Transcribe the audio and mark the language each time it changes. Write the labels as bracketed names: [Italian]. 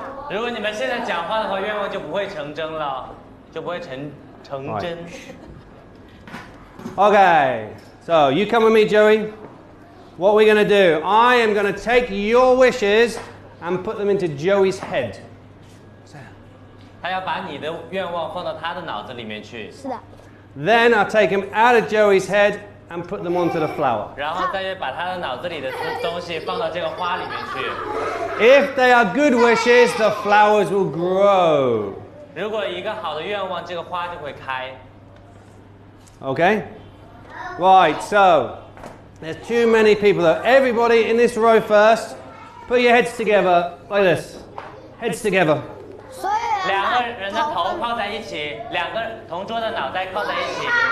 [Chinese] 如果你们现在讲话的话，愿望就不会成真了，就不会成真。 [English] Okay, so you come with me, Joey. What we're going to do, I am going to take your wishes and put them into Joey's head. [Chinese] 他要把你的愿望放到他的脑子里面去。是的。 [English] Then I'll take them out of Joey's head and put them onto the flower. [Chinese] 然后再把他的脑子里的东西放到这个花里面去。 [English] If they are good wishes, the flowers will grow. [Chinese] 如果一个好的愿望，这个花就会开。 [English] okay? Right, so there's too many people though. Everybody in this row first, put your heads together like this. Heads together. [Chinese] 两个人的头靠在一起，两个同桌的脑袋靠在一起。